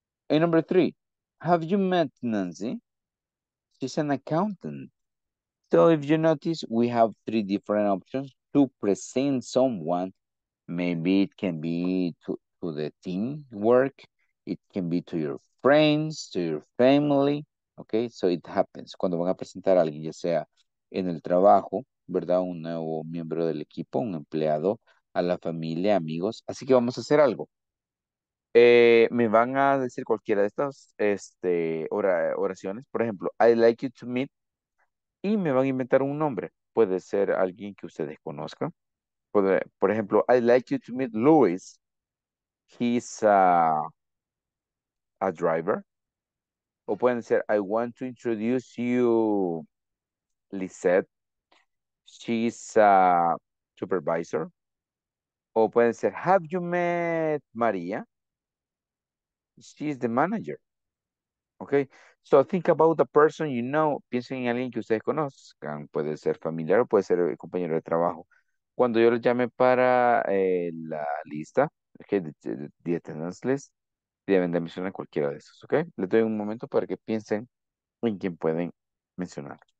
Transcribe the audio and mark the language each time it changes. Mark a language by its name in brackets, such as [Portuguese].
[English] And number three, have you met Nancy? She's an accountant. So if you notice, we have three different options to present someone. Maybe it can be to the team work. It can be to your friends, to your family. Okay, so it happens. [Spanish] Cuando van a presentar a alguien, ya sea en el trabajo, ¿verdad? Un nuevo miembro del equipo, un empleado, a la familia, amigos. Así que vamos a hacer algo. Me van a decir cualquiera de estas oraciones. Por ejemplo, I'd like you to meet. Y me van a inventar un nombre. Puede ser alguien que ustedes conozcan. Por ejemplo, I'd like you to meet Louis. [English] He's a driver. O pueden ser, I want to introduce you, Lisette. She's a supervisor. O pueden ser, have you met Maria? She's the manager. Okay, so think about the person you know. [Spanish] Piensen en alguien que ustedes conozcan. Puede ser familiar o puede ser el compañero de trabajo. Cuando yo lo llame para la lista, okay, the attendance list, deben de mencionar cualquiera de esos, okay? Les doy un momento para que piensen en quién pueden mencionar.